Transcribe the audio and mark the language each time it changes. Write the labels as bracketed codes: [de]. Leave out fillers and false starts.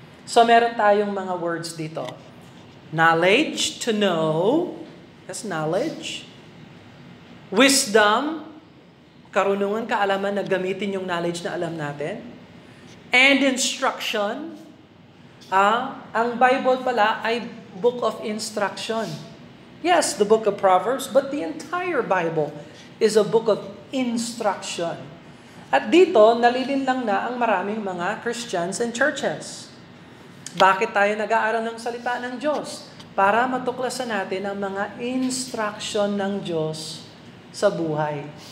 [tl] So meron tayong mga words dito. [en] Knowledge, to know, that's knowledge. [tl] Wisdom, karunungan, kaalaman na gamitin yung knowledge na alam natin. [en] And instruction, [tl] ang Bible pala ay [en] book of instruction. Yes, the book of Proverbs, but the entire Bible is a book of instruction. [tl] At dito, nalilin lang na ang maraming mga [en] Christians and churches. [tl] Bakit tayo nag-aaral ng salita ng Diyos? Para matuklasan natin ang mga instruction ng Diyos sa buhay.